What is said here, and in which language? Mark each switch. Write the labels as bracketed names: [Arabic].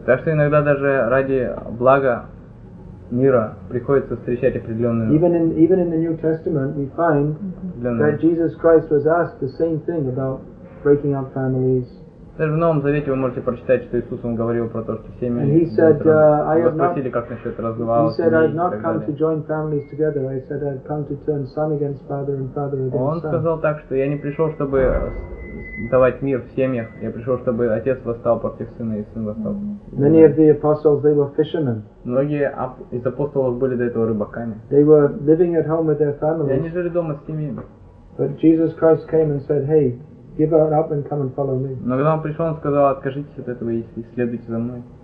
[Russian] Так что иногда даже ради блага мира приходится встречать определенную. [English] Even in the New Testament, we find that Jesus Christ was asked the same thing about breaking up families. [Russian] Даже в Новом Завете вы можете прочитать, что Иисус он говорил про то, что семьи. [English] And he said, I have not. [Russian] Как насчет развала? [English] He said, I've not come to join families together. I said, I've come to turn son against father and father against son. [Russian] Он сказал так, что я не пришел, чтобы давать мир в семьях. Я пришел, чтобы отец восстал против сына и сын восстал. [English] Many of the apostles, they were fishermen. [Russian] Многие из апостолов были до этого рыбаками. [English] They were living at home with their families. [Russian] И они жили дома с семьями. [English] But Jesus Christ came and said, hey. Give it up and come and follow me. [Russian] Но когда он пришел, он сказал: откажитесь от этого и следуйте за мной.